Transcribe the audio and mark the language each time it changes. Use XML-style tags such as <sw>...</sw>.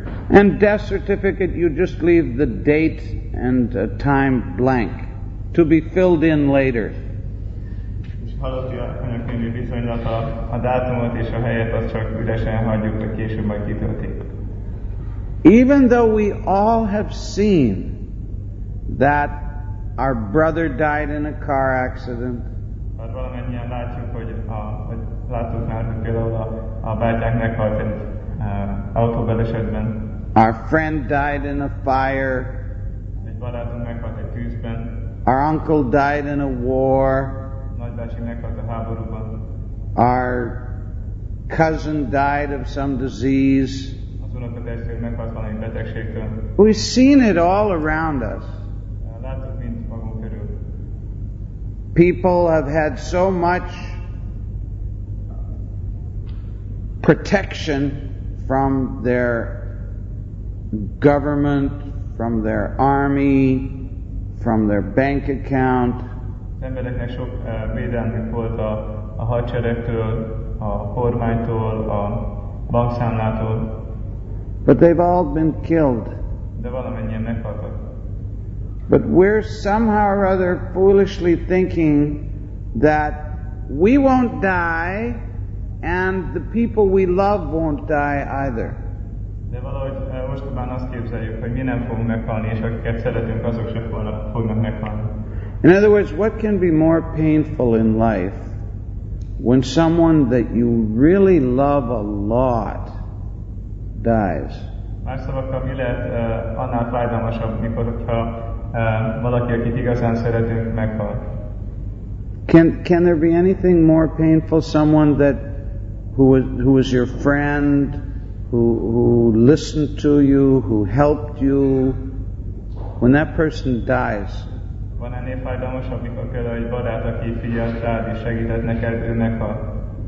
<en>And death certificate, you just leave the date and time blank to be filled in later.</en> <hu>halotti anyakönyvi viszonylata, a dátumot és a helyet az csak üresen hagyjuk, hogy később majd kitöltik.</hu> <en>Even though we all have seen that our brother died in a car accident,</en> <hu>valamennyien látjuk, hogy láttuk már, hogy például a bátyánk meghalt egy autóbalesetben.</hu> <en>Our friend died in a fire.</en> <hu>Egy barátunk meghalt egy tűzben.</hu> <en>Our uncle died in a war.</en> <hu>Nagybácsi meghalt a háborúban.</hu> <en>Our cousin died of some disease.</en> <hu>Az unokatestvér meghalt valami betegségtől.</hu> <en>We've seen it all around us.</en> <hu>Láttuk mind magunk körül.</hu> <en>People have had so much protection from their government, from their army, from their bank account.</en> <hu>Az embereknek sok védelmük volt a hadseregtől, a kormánytól, a bankszámlától.</hu> <en>But they've all been killed.</en> <hu>De valamennyien meghaltak.</hu> <en>But we're somehow or other foolishly thinking that we won't die and the people we love won't die either.</en> <hu>De valahogy mostanában azt képzeljük, hogy mi nem fogunk meghalni, és akiket szeretünk, azok sem fognak meghalni.</hu> <en>In other words, what can be more painful in life when someone that you really love a lot dies?</en> <hu>Más szavakkal, mi lehet annál fájdalmasabb, mikor, hogyha valaki, akit igazán szeretünk, meghal?</hu> <en>Can there be anything more painful, someone that who was your friend, who listened to you, who helped you, when that person dies?</en> <hu>Van ennél fájdalmasabb, mikor például egy barát, aki figyelt rád és segített neked, ő meghal?</hu>